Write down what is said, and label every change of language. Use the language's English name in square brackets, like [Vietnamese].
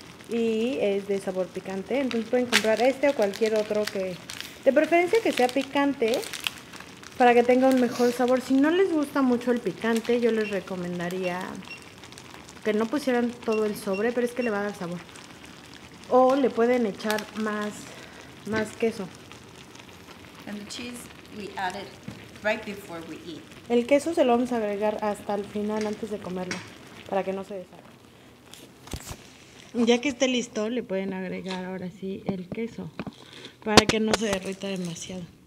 [Spanish] Y es de sabor picante, entonces pueden comprar este o cualquier otro que, de preferencia que sea picante, para que tenga un mejor sabor. Si no les gusta mucho el picante, yo les recomendaría que no pusieran todo el sobre, pero es que le va a dar sabor. O le pueden echar más queso. [English] And the cheese we added right before we eat. [Spanish] El queso se lo vamos a agregar hasta el final, antes de comerlo, para que no se deshaga. Ya que esté listo, le pueden agregar ahora sí el queso para que no se derrita demasiado.